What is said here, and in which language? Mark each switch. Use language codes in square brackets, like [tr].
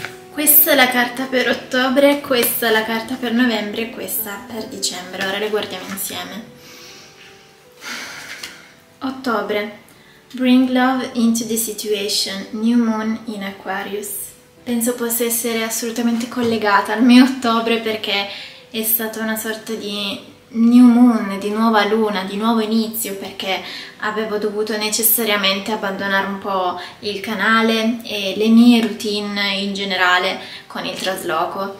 [it] Questa è la carta per ottobre, questa è la carta per novembre e questa per dicembre. Ora le guardiamo insieme. Ottobre. [en] Bring love into the situation. New moon in Aquarius. [it] Penso possa essere assolutamente collegata al mio ottobre perché è stata una sorta di [en] new moon, [it] di nuova luna, di nuovo inizio, perché avevo dovuto necessariamente abbandonare un po' il canale e le mie routine in generale con il trasloco.